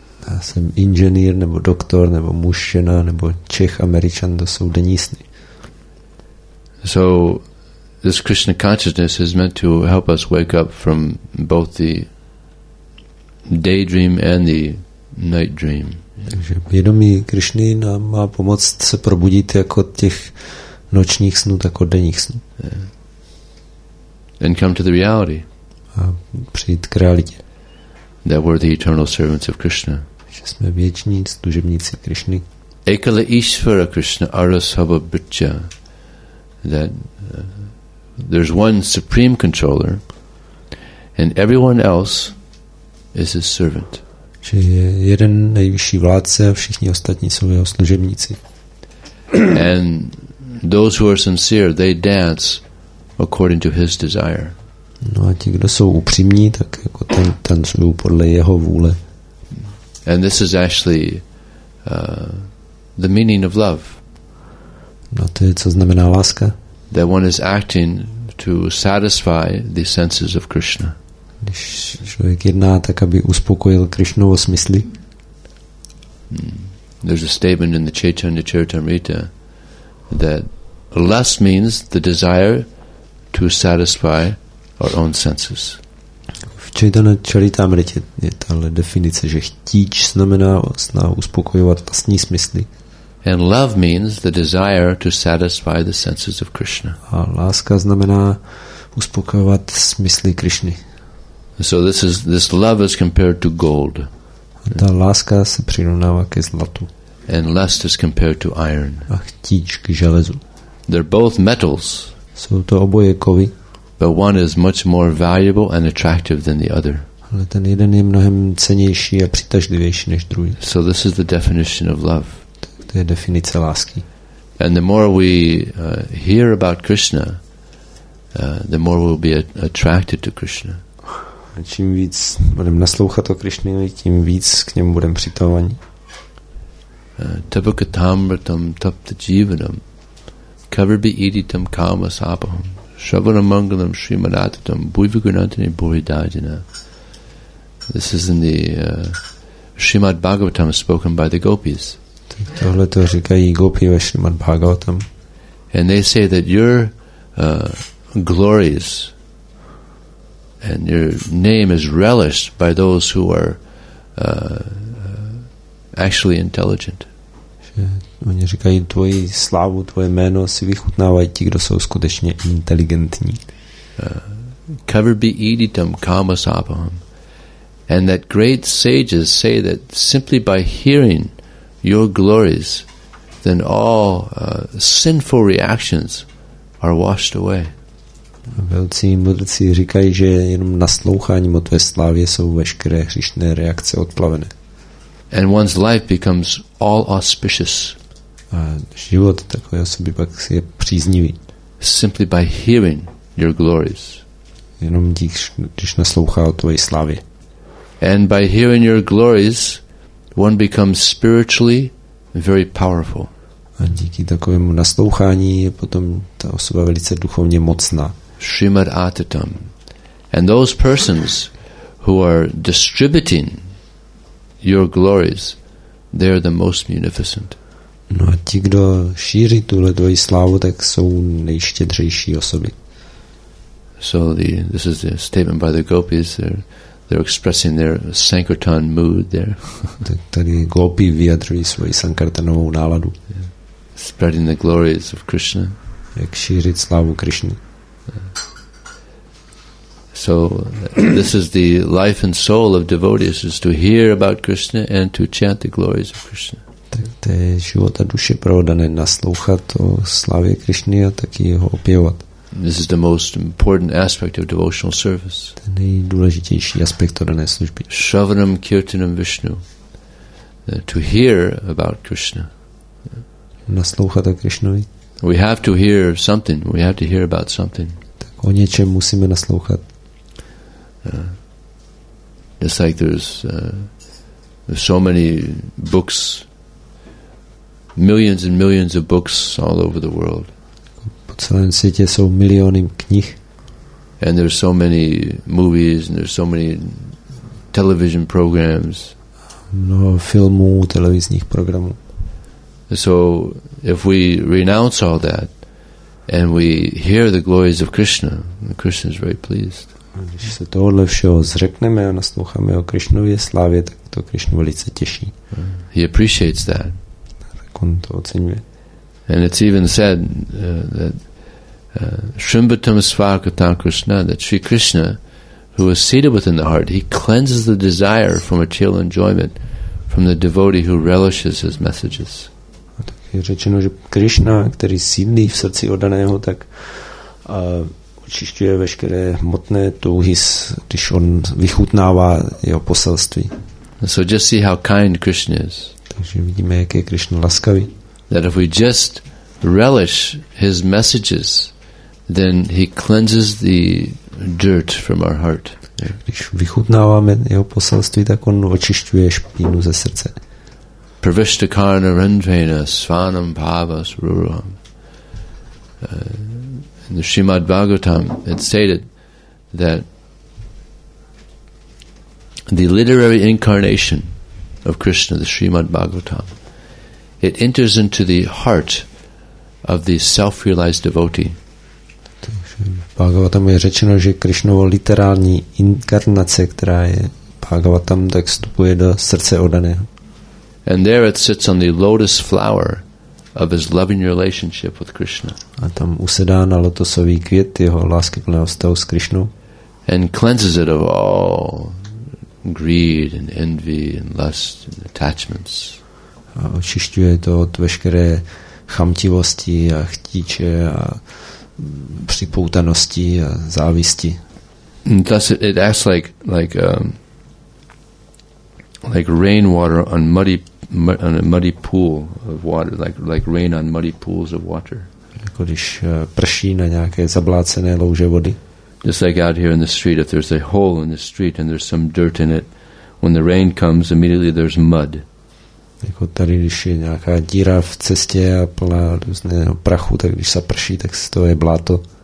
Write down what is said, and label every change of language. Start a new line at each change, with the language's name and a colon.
Czech: Já jsem inženýr nebo doktor nebo muž, žena nebo Čech, Američan, to jsou denní sny.
English: So this Krishna consciousness is meant to help us wake up from both the daydream and the night dream.
Czech: Takže vědomí Krišny nám má pomoct se probudit jako těch nočních snů, tak od denních snů.
English: Yeah. And come to the reality.
Czech: A přijít k realitě.
English: That we're the eternal servants of Krishna.
Czech: Že jsme věční služebníci Krišny.
Sanskrit: Ekala Ishvara Krishna Arasava Bhutya.
English: That there's one supreme controller and everyone else is his servant.
Czech: Že je jeden nejvyšší vládce a všichni ostatní jsou jeho služebníci.
English: And those who are sincere, they dance according to his desire.
Czech: No a ti, kdo jsou upřímní, tak jako ten tancují podle jeho vůle.
English: And this is actually the meaning of love.
Czech: No to je, co znamená láska.
English: That one is acting to satisfy the senses of Krishna.
Czech: Když člověk jedná tak, aby uspokojil Krišnovo smysly.
English: There's a statement in the Chaitanya Charitamrita that lust means the desire to satisfy our own senses.
Czech: V Chaitanya Charitamrita je tahle definice, že chtíč znamená snahu uspokojovat vlastní smysly.
English: And love means the desire to satisfy the senses of Krishna.
Czech: A láska znamená uspokojovat smysly Krišny.
English: So this love is compared to gold.
Czech: Ta láska se přirovnává ke zlatu.
English: And lust is compared to iron.
Czech: A chtíč k železu.
English: They're both metals.
Czech: Jsou to oboje kovy.
English: But one is much more valuable and attractive than the other.
Czech: Ale ten jeden je mnohem cennější a přitažlivější než druhý.
English: So this is the definition of love.
Czech: To je definice lásky.
English: And the more we hear about Krishna, the more we'll be attracted to Krishna.
Czech: A čím víc budeme naslouchat o Krišnovi, tím víc k němu budeme přitovaní.
Sanskrit: Tabakatamratam tapta jivanam kavirbi iditam kama sapaham shravanam mangalam srimanatatam buivigunantini buhidajana.
English: This is in the Srimad Bhagavatam spoken by the gopis.
Czech: Tohle to říkají gopi ve Srimad Bhagavatam.
English: And they say that your glories and your name is relished by those who are actually intelligent.
Czech: Oni říkají, tvoji slávu, tvoje jméno si vychutnávají ti, kdo jsou skutečně inteligentní.
Sanskrit: Kavirbi iditam kamasapaham.
English: And that great sages say that simply by hearing your glories, then all sinful reactions are washed away.
Czech: Velcí mudrci říkají, že jenom nasloucháním o tvé slávě jsou veškeré hříšné reakce odplavené.
English: And one's life becomes all auspicious.
Czech: A život takové osoby pak je příznivý.
English: Simply by hearing your glories.
Czech: Jenom díky, když naslouchá o tvojí slávě.
English: And by hearing your glories, one becomes spiritually very powerful.
Czech: A díky takovému naslouchání je potom ta osoba velice duchovně mocná.
Sanskrit: Srimad Atitam.
English: And those persons who are distributing your glories, they are the most munificent.
Czech: No a ti, kdo šíří tuhle tvoji slávu, tak jsou nejštědřejší osoby.
English: So this is a statement by the gopis. They're expressing their sankirtan mood there.
Czech: Tady gopi vyjadřují svoji sankirtanovou náladu.
English: Yeah. Spreading the glories of Krishna.
Czech: Jak šířit slávu Krishna.
English: So this is the life and soul of devotees, is to hear about Krishna and to chant the glories of Krishna.
Czech: Tak to je život a duše pravodané, naslouchat o slavě Krišny a taky ho opěvat.
English: This is the most important aspect of devotional service.
Czech: To je nejdůležitější aspekt dané služby.
Sanskrit: Shravanam kirtanam Vishnu.
English: To hear about Krishna.
Czech: Naslouchat o Krishnovi.
English: We have to hear something. We have to hear about something.
Czech: Tak o něčem musíme naslouchat.
English: Just like there's so many books, millions and millions of books all over the world.
Czech: Po celém světě jsou miliony knih.
English: And there's so many movies and there's so many television programs.
Czech: Mnoho filmů, televizních programů.
English: So if we renounce all that and we hear the glories of Krishna, Krishna is very pleased.
Czech: Když se tohle všeho zřekneme a nasloucháme o Krišnově slávě, tak to Krišnu velice těší.
English: He appreciates that.
Czech: Tak on to oceňuje.
English: And it's even said that
Sanskrit: Shrimbatam Svakata Krishna,
English: that Sri Krishna, who is seated within the heart, he cleanses the desire for material enjoyment from the devotee who relishes his messages.
Czech: A tak je řečeno, že Krishna, který sídlí v srdci oddaného, tak očišťuje veškeré hmotné touhy, když on vychutnává jeho poselství.
English: So just see how kind Krishna is.
Czech: Takže vidíme, jak je Krishna laskavý.
English: That if we just relish his messages, then he cleanses the dirt from our heart.
Czech: Když vychutnáváme jeho poselství, tak on očišťuje špínu ze srdce.
Sanskrit: Pravishta karna rendrena svanam bhavas ruram.
English: In the Srimad Bhagavatam, it stated that the literary incarnation of Krishna, the Srimad Bhagavatam, it enters into the heart of the self-realized devotee.
Czech: Takže Bhagavatam je řečeno, že Krišnovo literální inkarnace, která je Bhagavatam, tak vstupuje do srdce oddaného.
English: And there it sits on the lotus flower of his loving relationship with Krishna.
Czech: A tam usedá na lotosový květ jeho láskyplného vztahu s Krišnou.
English: And cleanses it of all greed and envy and lust and attachments.
Czech: A očišťuje to od veškeré chamtivosti a chtíče a připoutanosti a závisti.
English: And thus it acts like rainwater on a muddy pool of water, like rain on muddy pools of water.
Czech: Jako když prší na nějaké zablácené louže vody.
English: Just like out here in the street, if there's a hole in the street and there's some dirt in it, when the rain comes, immediately there's mud.
Czech: Jako tady, když je nějaká díra v cestě a plná různého prachu, tak když se prší, tak se to je bláto.